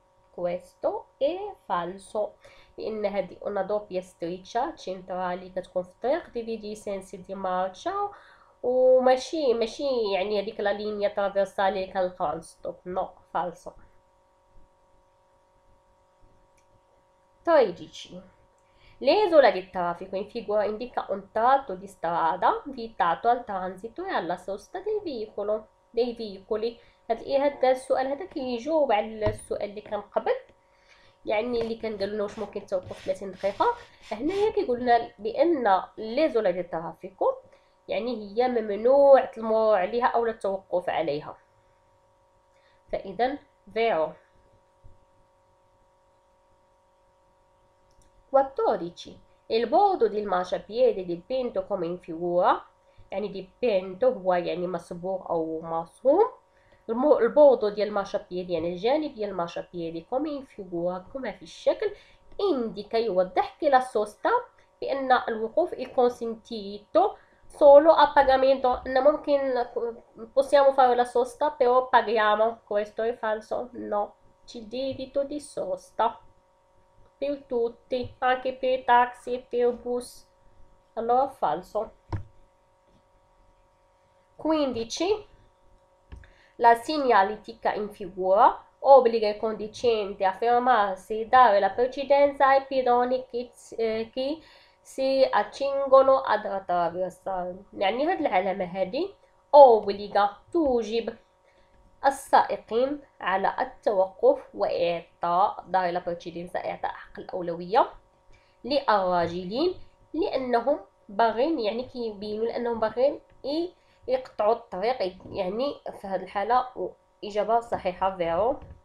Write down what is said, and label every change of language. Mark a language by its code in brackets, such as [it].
[it] Questo è falso. In una doppia striscia centrale che costringe dividi i sensi di marcia [ar] وماشي يعني هذيك لا لينيا ترافيرسال اللي كنلقاو عند ستوب. نو فالسو. 13. [it] L'isola di traffico in figura indica un tratto di strada vietato al transito e alla sosta del veicolo dei veicoli. [ar] هذا السؤال هذا كيجاوب على السؤال اللي كان قبل، يعني اللي كان قالنا واش ممكن توقف 30 دقيقة. هنايا كيقولنا بأن ليزولا دي ترافيكو يعني هي ممنوع المرور عليها او التوقف عليها. فاذا فيرو. 14. [it] Il bordo del marciapiede dipinto come in figura، [ar] يعني dipinto هو يعني مصبوغ او مرسوم، البوردو ديال المارشابيدي يعني الجانب ديال المارشابيدي كومي ان فيغورا كما في الشكل، انديكا يوضح كي لا سوستا بان الوقوف اي كونسنتيتو [it] solo a pagamento. Non possiamo fare la sosta, però paghiamo. Questo è falso. No, c'è diritto di sosta per tutti, anche per i taxi e per bus. Allora falso. 15. La segnaletica in figura obbliga il conducente a fermarsi e dare la precedenza ai pedoni che si accingono ad attraversare. La segnaletica obbliga [ar] tujib السائقين على التوقف وإعطاء دار البريسيدنس إعطاء حق الأولوية للراجلين لأنهم باغين، يعني كيبينوا لأنهم باغين يقطعوا الطريق، يعني في هذه الحالة إجابة صحيحة فيرو.